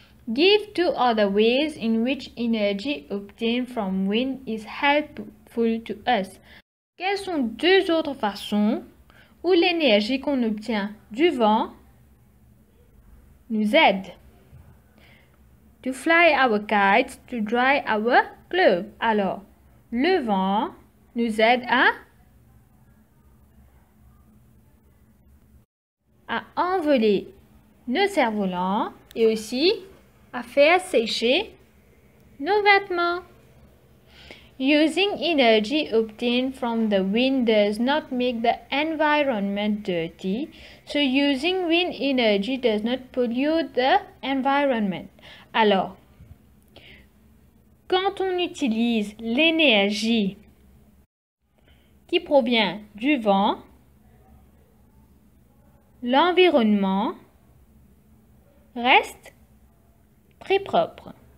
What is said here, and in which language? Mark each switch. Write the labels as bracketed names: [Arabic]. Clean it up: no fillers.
[English] Give two other ways in which energy obtained from wind is helpful to us. [French] Quelles sont deux autres façons ou l'énergie qu'on obtient du vent nous aide. [English] To fly our kite, to dry our clothes. [French] Alors, le vent nous aide à envoler nos cerfs-volants et aussi à faire sécher nos vêtements. [English] Using energy obtained from the wind does not make the environment dirty. So using wind energy does not pollute the environment. [French] Alors, quand on utilise l'énergie qui provient du vent, l'environnement reste très propre.